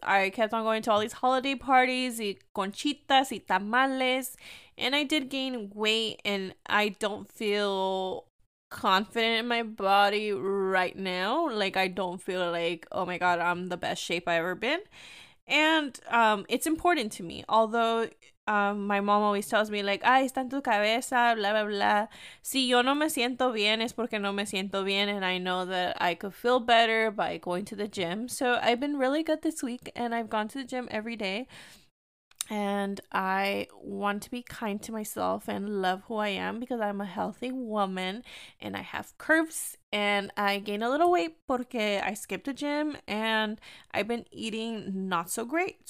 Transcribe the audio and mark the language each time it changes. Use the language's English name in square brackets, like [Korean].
[English] I kept on going to all these holiday parties, y conchitas y tamales, and I did gain weight, and I don't feel confident in my body right now. Like, I don't feel like, oh my god, I'm the best shape I've ever been. And it's important to me, although my mom always tells me, like, ay, está en tu cabeza, blah, blah, blah. [Spanish] Si yo no me siento bien, es porque no me siento bien. [English] And I know that I could feel better by going to the gym. So I've been really good this week, and I've gone to the gym every day. And I want to be kind to myself and love who I am, because I'm a healthy woman and I have curves and I gain a little weight porque I skipped the gym and I've been eating not so great.